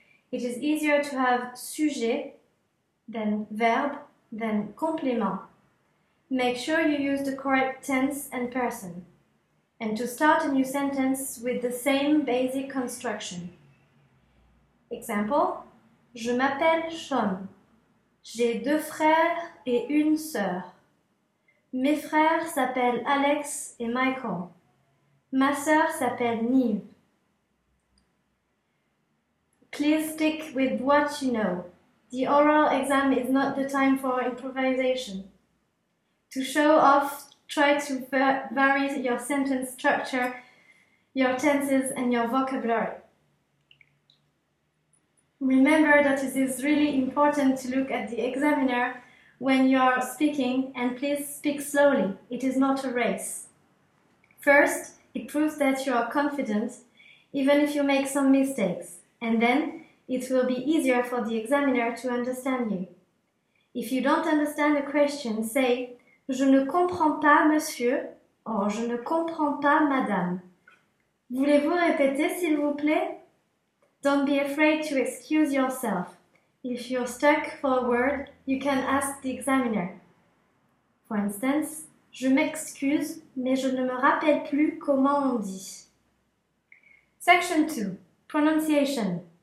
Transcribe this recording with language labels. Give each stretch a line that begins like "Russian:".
English: It is easier to have sujet, then verb, then complément. Make sure you use the correct tense and person, and to start a new sentence with the same basic construction.
French: Example, je m'appelle Sean. J'ai deux frères et une sœur. Mes frères s'appellent Alex et Michael. Ma sœur s'appelle Neve.
English: Please stick with what you know. The oral exam is not the time for improvisation. To show off, try to vary your sentence structure, your tenses and your vocabulary. Remember that it is really important to look at the examiner when you are speaking, and please speak slowly. It is not a race. First, it proves that you are confident, even if you make some mistakes, and then it will be easier for the examiner to understand you. If you don't understand the question, say,
French: je ne comprends pas, monsieur, or je ne comprends pas, madame. Voulez-vous répéter, s'il vous plaît?
English: Don't be afraid to excuse yourself. If you're stuck for a word, you can ask the examiner. For instance,
French: je m'excuse, mais je ne me rappelle plus comment on dit.
English: Section 2. Pronunciation.